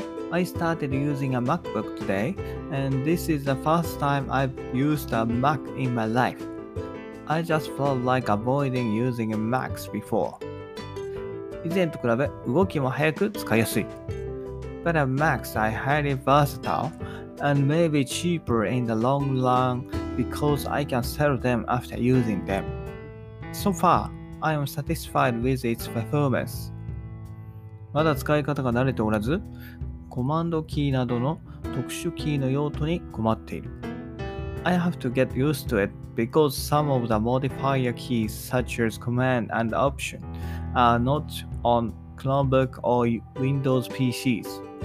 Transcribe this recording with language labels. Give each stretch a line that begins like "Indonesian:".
English: I started using a MacBook today and this is the first time I've used a Mac in my life. I just felt like avoiding using Macs before.
Japanese: 以前と比べ動きも早く使いやすい。
English: But a Macs are highly versatileAnd maybe cheaper in the long run because I can sell them after using them. So far, I am satisfied with its performance.
Japanese: まだ使い方が慣れておらず、コマンドキーなどの特殊キーの用途に困っている。
English: I have to get used to it because some of the modifier keys such as Command and Option are not on Chromebook or Windows PCs.